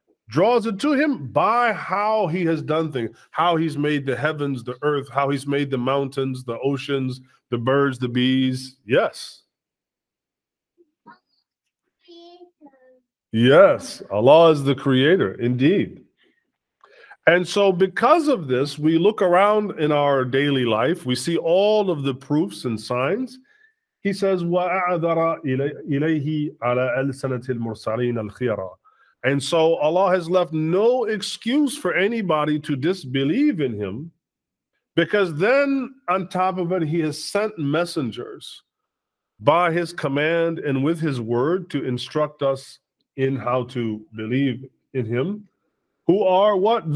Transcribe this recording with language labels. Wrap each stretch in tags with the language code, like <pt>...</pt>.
<en>Draws it to him by how he has done things, how he's made the heavens, the earth, how he's made the mountains, the oceans, the birds, the bees. Yes. Yes, Allah is the creator, indeed. And so because of this, we look around in our daily life, we see all of the proofs and signs. He says,</en> <ar>وَأَعْذَرَ إِلَيْهِ عَلَىٰ أَلْسَنَةِ الْمُرْسَلِينَ الْخِيَرَىٰ.</ar> <en>And so Allah has left no excuse for anybody to disbelieve in him, because then on top of it, he has sent messengers by his command and with his word to instruct us in how to believe in him, who are what?</en>